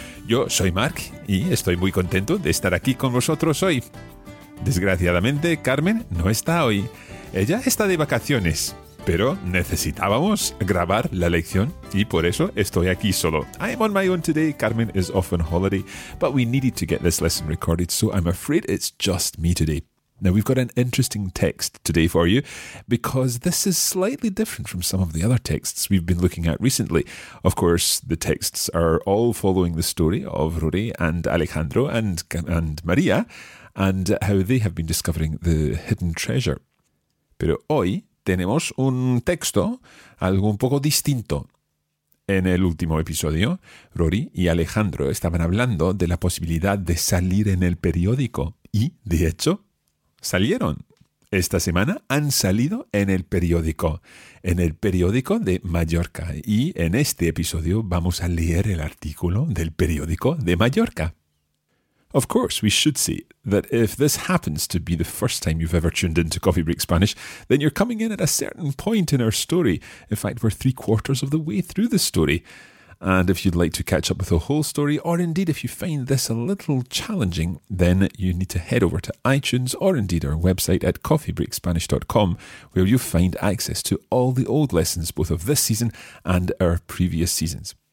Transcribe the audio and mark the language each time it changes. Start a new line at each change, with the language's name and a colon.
Spanish: Yo soy Mark y estoy muy contento de estar aquí con vosotros hoy. Desgraciadamente, Carmen no está hoy. Ella está de vacaciones, pero necesitábamos grabar la lección y por eso estoy aquí solo.
English: I am on my own today. Carmen is off on holiday, but we needed to get this lesson recorded, so I'm afraid it's just me today. Now, we've got an interesting text today for you because this is slightly different from some of the other texts we've been looking at recently. Of course, the texts are all following the story of Rory and Alejandro and Maria and how they have been discovering the hidden treasure.
Spanish: Pero hoy tenemos un texto algo un poco distinto. En el último episodio, Rory y Alejandro estaban hablando de la posibilidad de salir en el periódico. Y, de hecho, salieron. Esta semana han salido en el periódico. En el periódico de Mallorca. Y en este episodio vamos a leer el artículo del periódico de Mallorca.
English: Of course, we should see that if this happens to be the first time you've ever tuned into Coffee Break Spanish, then you're coming in at a certain point in our story. In fact, we're three quarters of the way through the story. And if you'd like to catch up with the whole story, or indeed if you find this a little challenging, then you need to head over to iTunes or indeed our website at coffeebreakspanish.com, where you'll find access to all the old lessons, both of this season and our previous seasons.